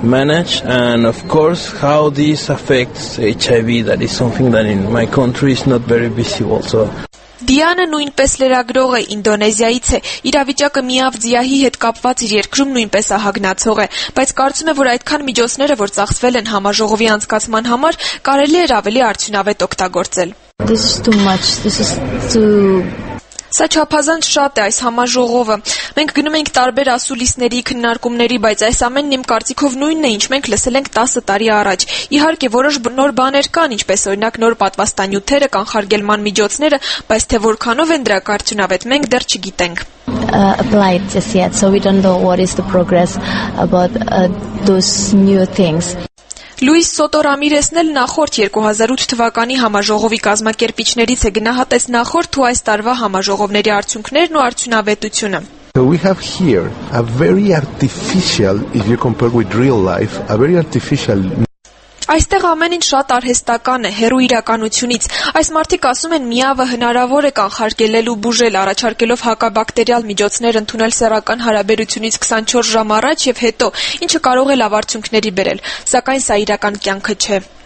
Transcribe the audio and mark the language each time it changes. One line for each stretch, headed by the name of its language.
English: Manage and of course how this affects HIV, that is something that in my country is not very visible also.
Armenian: Դիանը նույնպես լրագրող է, Ինդոնեզիայից է, իրավիճակը միավ ձիահի հետ կապված իր երկրում նույնպես ահագնացող է, բայց կարծում է, որ այդքան միջոցները, որ ծախսվել են համաժողովի անցկացման համար, կարելի էր ավելի արդյունավետ օգտագործել։
English: This is too much. This is too...
Armenian: Սա չափազանց շատ է այս համաժողովը։ Մենք գնում ենք տարբեր ասուլիսների, քննարկումների, բայց այս ամենն իմ կարծիքով նույնն է, ինչ մենք լսել ենք 10 տարի առաջ։ Իհարկե, որոշ նոր բաներ կան, ինչպես օրինակ նոր պատվաստանյութերը, կանխարգելման միջոցները, բայց թե որքանով են դրա արդյունավետ, մենք դեռ չգիտենք։
English: Applied just yet, so we don't know what is the progress about those new things.
Armenian: Լուիս Սոտո Ռամիրեսն էլ նախորդ 2008 թվականի համաժողովի կազմակերպիչներից է գնահատեց նախորդ ու այս տարվա համաժողովների արդյունքներն ու արդյունավետությունը։
English: So we have here a very artificial, if you compare with real life, a very artificial...
Armenian: Այստեղ ամեն ինչ շատ արհեստական է, հեռու իրականությունից։ Այս մարդիկ ասում են, միավը հնարավոր է կանխարգելել ու բուժել, առաջարկելով հակաբակտերիալ միջոցներ ընդունել սեռական հարաբերությունից 24 ժամ առաջ և հետո, ինչը կարող է լավ արդյունքների բերել, սակայն սա իրական կյանքը չէ։